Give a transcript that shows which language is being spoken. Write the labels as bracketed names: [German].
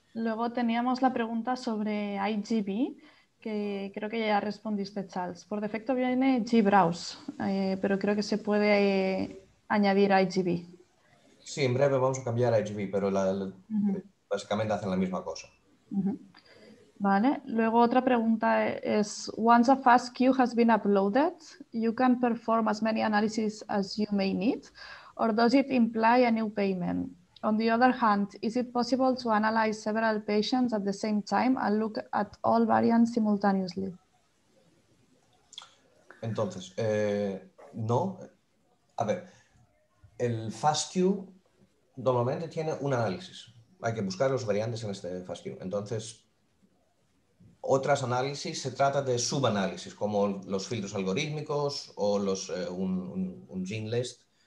[Spanish] Luego teníamos la pregunta sobre IGB, que creo que ya respondiste, Charles. Por defecto viene GBrowse, pero creo que se puede añadir IGB. Sí, en breve vamos a cambiar a IGB, pero básicamente hacen la misma cosa. Uh-huh. Vale, luego otra pregunta es, [English] once a fast queue has been uploaded, you can perform as many analyses as you may need, or does it imply a new payment? On the other hand, is it possible to analyze several patients at the same time and look at all variants simultaneously? [Spanish] Entonces, no. A ver, el fast queue normalmente tiene un análisis. Hay que buscar los variantes en este fast queue. Entonces, otras análisis se trata de subanálisis, como los filtros algorítmicos o los un gene list.